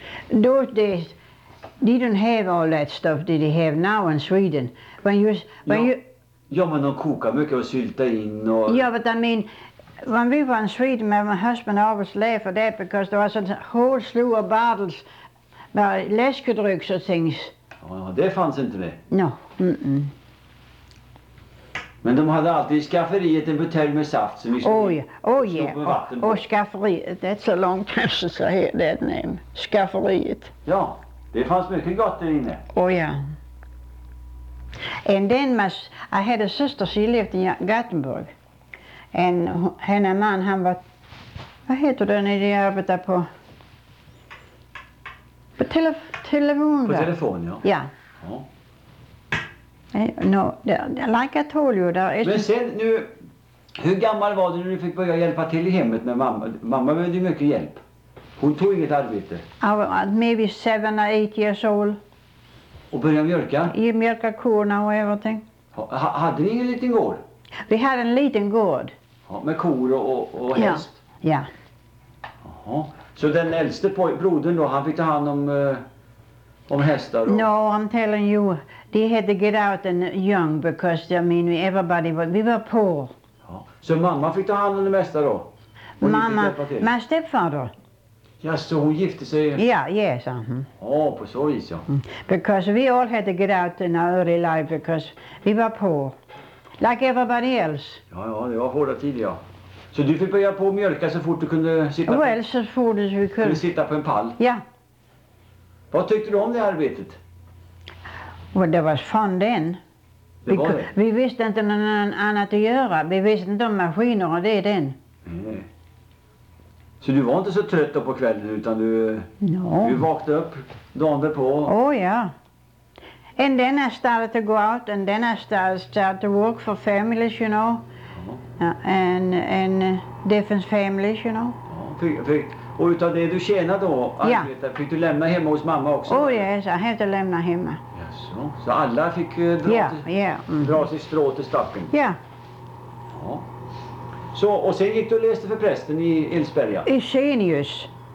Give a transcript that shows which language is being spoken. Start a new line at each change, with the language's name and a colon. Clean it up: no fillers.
English: Those days, they didn't have all that stuff that they have now in Sweden.
Swedish: Men de kokade mycket och sylta in och.
English: Ja, but I mean, when we were in Sweden, my husband always laughed at that because there was a whole slew of bottles
Swedish: med läskedrycks
English: och things.
Swedish: Ja, det fanns inte det.
English: No, mm-mm.
Swedish: Men de hade alltid i skafferiet en butelj med saft som vi skulle stå på vatten. Och skafferiet,
English: that's a long time to say that name.
Swedish: Skafferiet. Ja, det fanns mycket gott där inne.
English: And then I had a sister, she lived in Gothenburg.
Swedish: And henne man, han var, vad heter den när de arbetar på? På telefon. På telefon, ja. Ja.
English: No, like I told you, there is.
Swedish: Men sen, nu, hur gammal var du när du fick börja hjälpa till i hemmet med mamma? Mamma behövde ju mycket hjälp. Hon tog inget arbete?
English: I was maybe 7 or 8 years old.
Swedish: Och började mjölka? I mjölka korna och
English: everything.
Swedish: Hade ni ingen liten gård?
English: We had a little gård.
Swedish: Ja, med kor och häst? Ja.
English: Yeah. Yeah.
Swedish: Jaha. Så den äldste brodern då, han fick ta hand om hästar då?
English: No, I'm telling you, they had to get out and young because, I mean, everybody, we were poor.
Swedish: Ja. Så mamma fick ta hand om det mesta då?
English: Mamma, my stepfather.
Swedish: Ja, så hon gifte sig?
English: Ja, yeah, yes. Mm-hmm.
Swedish: Ja, på så vis, ja. Mm.
English: Because we all had to get out in our early life because we were poor. Like everybody else.
Swedish: Ja, ja, det var hårda tider, ja. Så du fick börja på mjölka så fort du kunde sitta
English: well,
Swedish: på...
English: Well,
Swedish: so fort
English: as we could.
Swedish: Kunde sitta på en pall? Ja.
English: Yeah.
Swedish: Vad tyckte du om det arbetet?
English: Well, that was fun then.
Swedish: Det var det. Vi visste inte någon annat att göra. Vi visste inte om maskiner och det är den. Så du var inte så trött på kvällen utan du...
English: No.
Swedish: Du vaknade upp dagen därpå.
English: Oh, ja. Yeah. And then I started to go out, and then I started to work for families, you know, and different families, you know.
Swedish: Och utav det du tjänade då, arbetade, fick du lämna hemma hos mamma också?
English: Oh yes, I had to
Swedish: lämna hemma. Jaså, så alla fick dra sig strå till stacken? Ja. Så, och sen gick du och läste för prästen i Ilsberga? Eusenius.